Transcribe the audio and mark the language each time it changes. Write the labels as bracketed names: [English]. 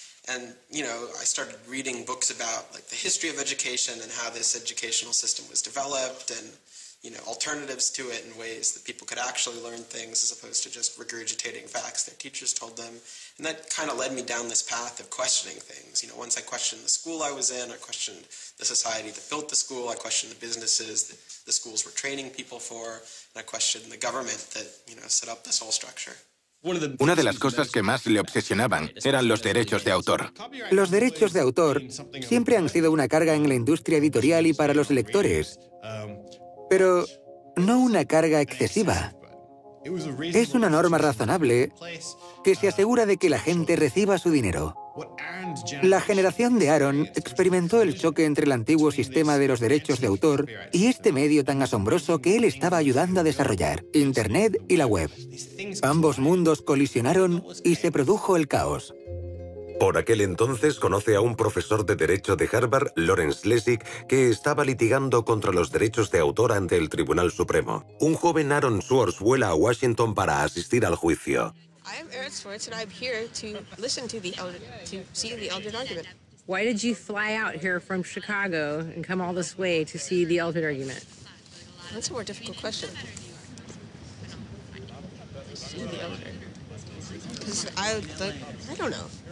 [English] And, you know, I started reading books about, like, the history of education and how this educational system was developed and, you know, alternatives to it and ways that people could actually learn things as opposed to just regurgitating facts their teachers told them. And that kind of led me down this path of questioning things. You know, once I questioned the school I was in, I questioned the society that built the school, I questioned the businesses that the schools were training people for, and I questioned the government that, you know, set up this whole structure. [Spanish] Una de las cosas que más le obsesionaban eran los derechos de autor. Los derechos de autor siempre han sido una carga en la industria editorial y para los lectores, pero no una carga excesiva. Es una norma razonable que se asegura de que la gente reciba su dinero. La generación de Aaron experimentó el choque entre el antiguo sistema de los derechos de autor y este medio tan asombroso que él estaba ayudando a desarrollar, Internet y la web. Ambos mundos colisionaron y se produjo el caos. Por aquel entonces conoce a un profesor de derecho de Harvard, Lawrence Lessig, que estaba litigando contra los derechos de autor ante el Tribunal Supremo. Un joven Aaron Swartz vuela a Washington para asistir al juicio. [English] I am Aaron Swartz, and I'm here to listen to the Eldred, to see the Eldred argument. Why did you fly out here from Chicago and come all this way to see the Eldred argument? That's a more difficult question. See the Eldred. I don't know.